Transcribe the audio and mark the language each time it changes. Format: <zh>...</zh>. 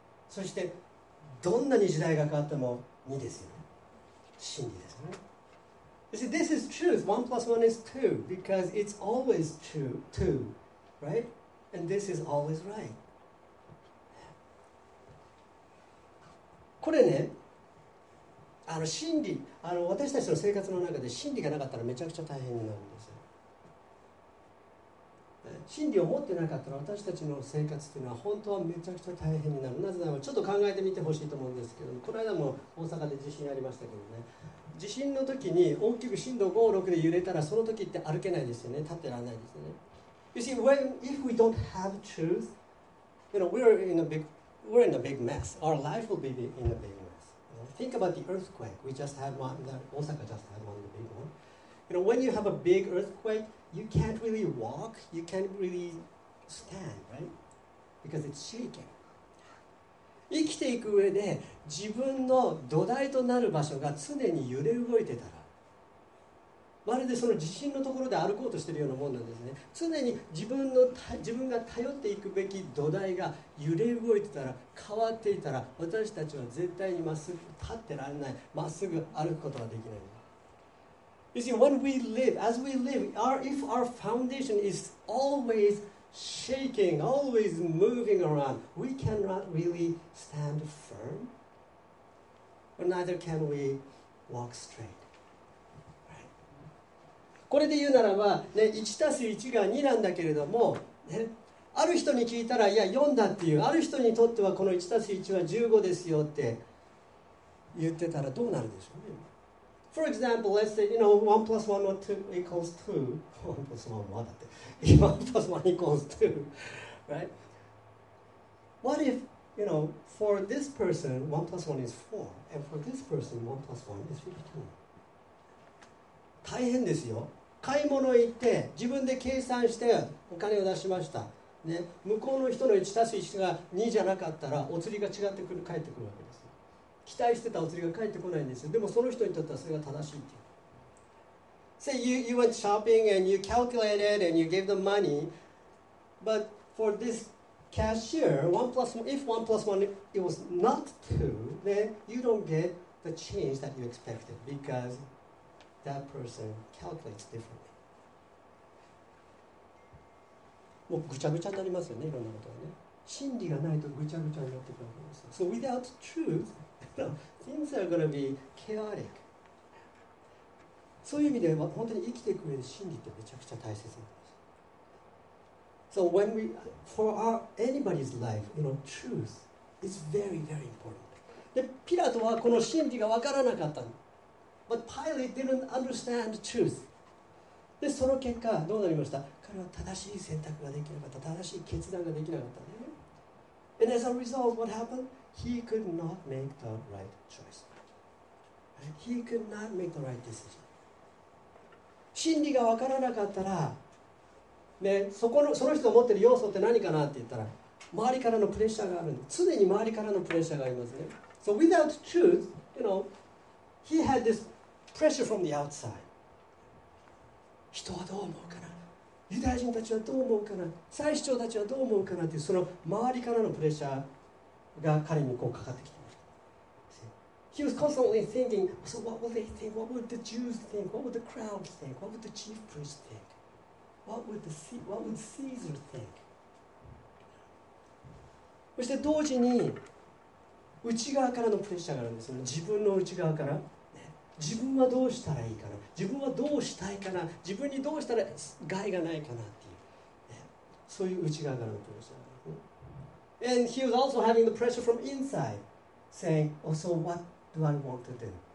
<ja>そして、どんなに時代が変わっても2ですよね。真理ですね。</ja> <en>You see, this is truth. 1 plus 1 is 2 because it's always true, 2. Right? And this is always right.</en> <ja>これね、あの真理、あの私たちの生活の中で真理がなかったらめちゃくちゃ大変になるんですよ。真理を持ってなかったら私たちの生活というのは本当はめちゃくちゃ大変になる。なぜならちょっと考えてみてほしいと思うんですけども、この間も大阪で地震ありましたけどね、地震の時に大きく震度5、6で揺れたらその時って歩けないですよね、立ってられないですよね。</ja> <en>You see, when, if we don't have truth, you know, we're in a big mess. Our life will be in a big mess. Think about the earthquake. We just had one, the Osaka just had one, the big one. You know, when you have a big earthquake,You can't really walk, you can't really stand, right? Because it's shaking.</en> <ja>生きていく上で自分の土台となる場所が常に揺れ動いてたら、まるでその地震のところで歩こうとしているようなもんなんですね。常に自分が頼っていくべき土台が揺れ動いてたら、変わっていたら、私たちは絶対にまっすぐ立ってられない、まっすぐ歩くことはできない。</ja> <en>You see, when we live, as we live, if our foundation is always shaking, always moving around, we cannot really stand firm, or neither can we walk straight. Right?</en> <ja>これで言うならば、ね、1たす1が2なんだけれども、ね、ある人に聞いたら、いや、4だっていう、ある人にとってはこの1たす1は15ですよって言ってたらどうなるでしょうね。</ja> <en>For example, let's say, you know, 1 plus 1 or 2 equals 2. 1 plus 1</en> <ja>はだって。</ja> <en>1 plus 1 equals 2. Right? What if, you know, for this person, 1 plus 1 is 4. And for this person, 1 plus 1 is 15.</en> <ja>大変ですよ。買い物行って、自分で計算してお金を出しました。ね、向こうの人の1たす1が2じゃなかったら、お釣りが違ってくる、返ってくるわけです。期待してたお釣りが返ってこないんですよ。でもその人にとってはそれが正しいっていう。</ja> <en>Say you went shopping and you calculated and you gave them money, but for this cashier, one plus one, it was not two, then you don't get the change that you expected because that person calculates differently.</en> <ja>もうぐちゃぐちゃになりますよね、いろんなことがね。真理がないとぐちゃぐちゃになってくるわけですよ。</ja> <en>So without truth,Things are going to be chaotic.</en> <ja>そういう意味で本当に生きていく上で真理ってめちゃくちゃ大切なんです。</ja> <en>So when we, for our, anybody's life, you know, truth is very, very important.</en> <ja>で、ピラトはこの真理が分からなかった。</ja> <en>But Pilate didn't understand truth.</en> <ja>で、その結果どうなりました？彼は正しい選択ができなかった。正しい決断ができなかったね。</ja> <en>And as a result, what happened? He could not make the right choice. He could not make the right decision.</en> <ja>真理が分からなかったら、ね、その人が持っている要素って何かなって言ったら、周りからのプレッシャーがあるんです。常に周りからのプレッシャーがありますね。</ja> <en>So without truth, you know, he had this pressure from the outside.</en> <ja>人はどう思うかな? ユダヤ人たちはどう思うかな?祭司長たちはどう思うかなっていう、その周りからのプレッシャー。が彼にこうかかってきてました。</ja> <en>He was constantly thinking, so what would they think? What would the Jews think? What would the crowd think? What would the chief priest think? What would Caesar think?</en> <ja>そして同時に内側からのプレッシャーがあるんですよね。自分の内側から、ね、自分はどうしたらいいかな、自分はどうしたいかな、自分にどうしたら害がないかなっていう、ね、そういう内側からのプレッシャー。</ja> <en>And he was also having the pressure from inside, saying, oh, so what do I want to do?</en>